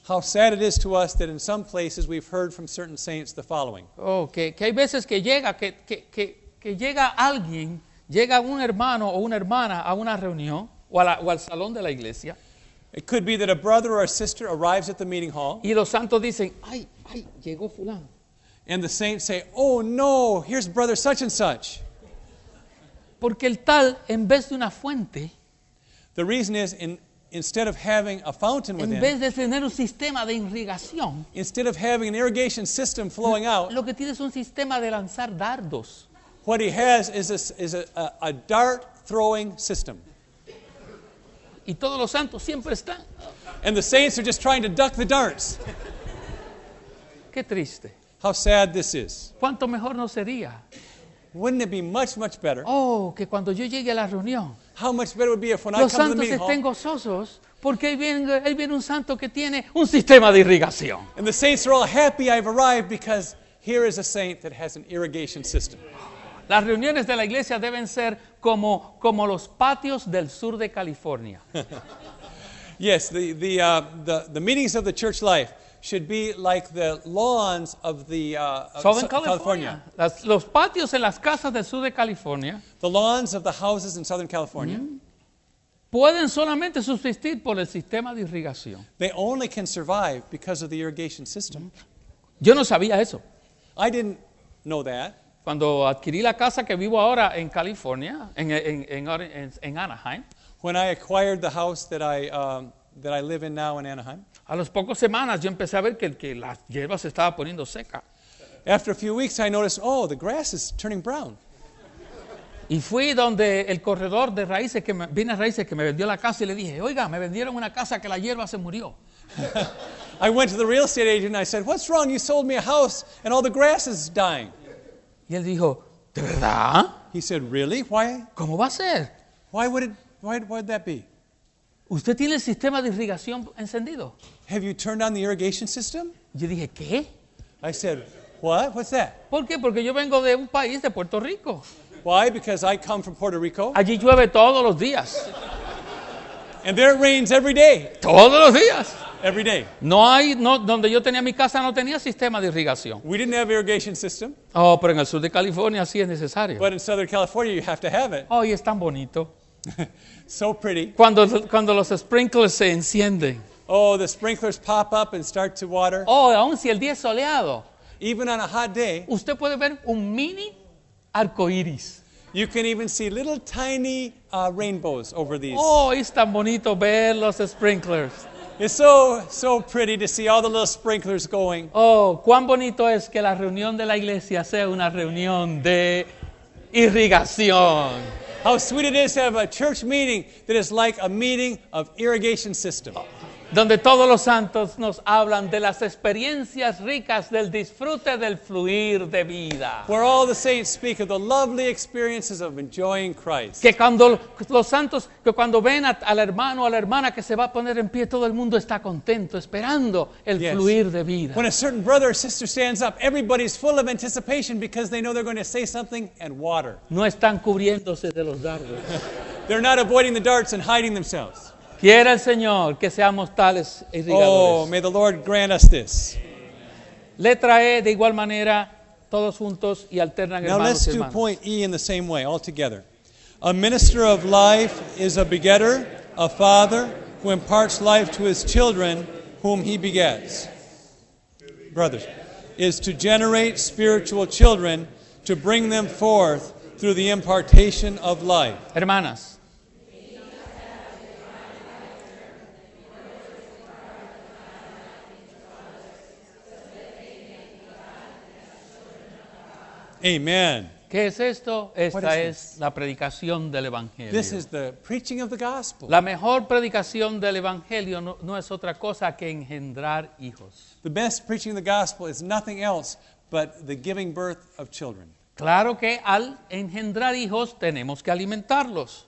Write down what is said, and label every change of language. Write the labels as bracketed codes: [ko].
[en] How sad it is to us that in some places we've heard from certain saints the following. [es] Oh, que hay veces que llega que llega alguien, llega un hermano o una hermana a una reunión o al salón de la iglesia. [en] It could be that a brother or a sister arrives at the meeting hall. [es] Y los santos dicen, ay, llegó fulano. [en] And the saints say, oh no, here's brother such and such. [es] Porque el tal, en vez de una fuente, [en] the reason is, instead of having a fountain within, [es] en vez de tener un sistema de irrigación, [en] instead of having an irrigation system flowing out, [es] lo que tiene es un sistema de lanzar dardos. [en] What he has is a dart throwing system. [es] Y todos los santos siempre están. [en] And the saints are just trying to duck the darts. [es] Qué triste. [en] How sad this is. [es] ¿Cuánto mejor no sería? [en] Wouldn't it be much, much better? [es] Oh, que cuando yo llegue a la reunión. [en] How much better would it be if when I come to the meeting hall. [es] Los santos estén gozosos porque ahí viene un santo que tiene un sistema de irrigación. [en] And the saints are all happy I've arrived because here is a saint that has an irrigation system. [es] Las reuniones de la iglesia deben ser como los patios del sur de California. [en] Yes, the meetings of the church life should be like the lawns of the Southern California. [es] Los patios en las casas del sur de California. [en] The lawns of the houses in Southern California. [es] Pueden solamente subsistir por el sistema de irrigación. [en] They only can survive because of the irrigation system. [es] Yo no sabía eso. [en] I didn't know that. [es] Cuando adquirí la casa que vivo ahora en California, en Anaheim. [en] When I acquired the house that I live in now in Anaheim. [es] A las pocas semanas yo empecé a ver que la hierba se estaba poniendo seca. [en] After a few weeks I noticed, oh, the grass is turning brown. [es] Y fui donde el corredor de raíces, que vine a raíces que me vendió la casa y le dije, oiga, me vendieron una casa que la hierba se murió. [en] I went to the real estate agent and I said, what's wrong? You sold me a house and all the grass is dying. [es] Y él dijo, ¿de verdad? [en] He said, really? Why? [es] ¿Cómo va a ser? [en] Why would that be? [es] ¿Usted tiene el sistema de irrigación encendido? [en] Have you turned on the irrigation system? [es] Yo dije, ¿qué? [en] I said, what? What's that? [es] ¿Por qué? Porque yo vengo de un país, de Puerto Rico. [en] Why? Because I come from Puerto Rico. [es] Allí llueve todos los días. [en] And there it rains every day. [es] Todos los días. [en] Every day. [es] No hay, no, donde yo tenía mi casa no tenía sistema de irrigación. [en] We didn't have irrigation system. [es] Oh, pero en el sur de California sí es necesario. [en] But in Southern California you have to have it. [es] Oh, y es tan bonito. [en] So pretty. [es] Cuando los sprinklers se encienden. [en] Oh, the sprinklers pop up and start to water. [es] Oh, aun si el día es soleado. [en] Even on a hot day. [es] Usted puede ver un mini arco iris. [en] You can even see little tiny rainbows over these. [es] Oh, es tan bonito ver los sprinklers. [en] It's so pretty to see all the little sprinklers going. [es] Oh, cuán bonito es que la reunión de la iglesia sea una reunión de irrigación. [en] How sweet it is to have a church meeting that is like a meeting of irrigation system. [es] Donde todos los santos nos hablan de las experiencias ricas del disfrute del fluir de vida. [en] Where all the saints speak of the lovely experiences of enjoying Christ. [es] Que cuando los santos, que cuando ven al hermano o a la hermana que se va a poner en pie, todo el mundo está contento, esperando el [en] yes. [es] fluir de vida. [en] When a certain brother or sister stands up, everybody's full of anticipation because they know they're going to say something and water. [es] No están cubriéndose de los dardos. [en] They're not avoiding the darts and hiding themselves. [es] Quiera el Señor que seamos tales irrigadores. [en] Oh, may the Lord grant us this. [es] Letra E, de igual manera, todos juntos y alternan hermanos y hermanas. [en] Now let's do point E in the same way, all together. A minister of life is a begetter, a father who imparts life to his children whom he begets. Brothers, is to generate spiritual children to bring them forth through the impartation of life. [es] Hermanas. [en] Amen. [es] ¿Qué es esto? Esta es la predicación del evangelio. [en] This is the preaching of the gospel. [es] La mejor predicación del evangelio no es otra cosa que engendrar hijos. [en] The best preaching of the gospel is nothing else but the giving birth of children. [es] Claro que al engendrar hijos tenemos que alimentarlos.